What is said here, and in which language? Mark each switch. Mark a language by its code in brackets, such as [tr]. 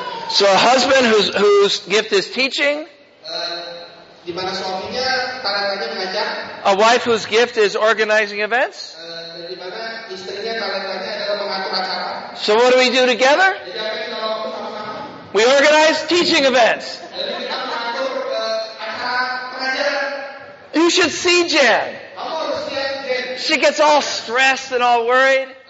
[en] So a husband whose gift is teaching, [id] di mana suaminya talentanya mengajar, [en] a wife whose gift is organizing events, [id] di mana istrinya talentanya adalah mengatur acara. [en] So what do we do together? [id] Jadi apa yang kita lakukan sama-sama? [en] We organize teaching events. [id] Jadi kita mengatur acara pengajaran. [en] You should see Jan. She gets all stressed and all worried.